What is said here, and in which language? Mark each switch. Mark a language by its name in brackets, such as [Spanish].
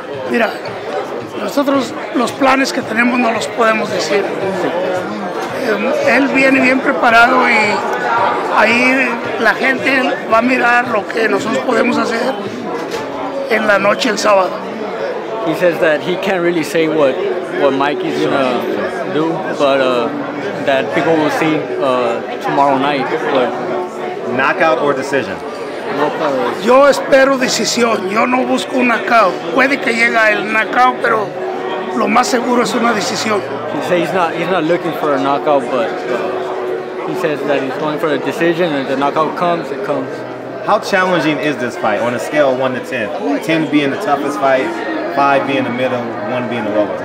[Spanish] Mira, nosotros los planes que tenemos no los podemos decir. Él viene bien preparado y ahí la gente va a mirar lo que nosotros podemos hacer en la noche el sábado. [English] He says that he can't really say what Mikey's gonna do, but that people will see tomorrow night. But knockout or decision? Knockout. [Spanish] Yo espero decisión. Yo no busco un knockout. Puede que llegue el knockout, pero lo más seguro es una decisión. [English] He says he's not looking for a knockout, but he says that he's going for a decision, and the knockout comes, it comes. How challenging is this fight on a scale of 1 to 10? 10 being the toughest fight, 5 being the middle, 1 being the lowest.